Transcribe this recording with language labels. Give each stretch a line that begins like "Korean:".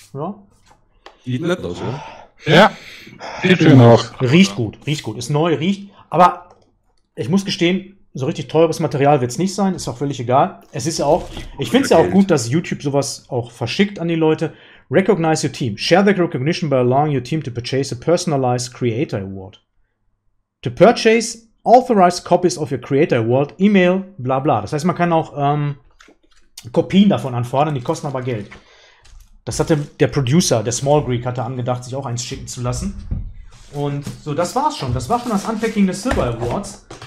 German: Ja. Sieht nett aus, ne? Ja. Sieht schön aus. Riecht gut. Ist neu, riecht. Aber ich muss gestehen, so richtig teures Material wird es nicht sein. Ist auch völlig egal. Es ist ja auch, ich finde es ja auch gut, dass YouTube sowas auch verschickt an die Leute.
English: Recognize your team. Share the recognition by allowing your team to purchase a personalized creator award. To purchase authorized copies of your creator award, email, bla bla.
German: Das heißt, man kann auch Kopien davon anfordern, die kosten aber Geld. Das hatte der Producer, der Small Greek, hatte angedacht, sich auch eins schicken zu lassen. Und so, das war's schon. Das war schon das Unpacking des Silver Awards.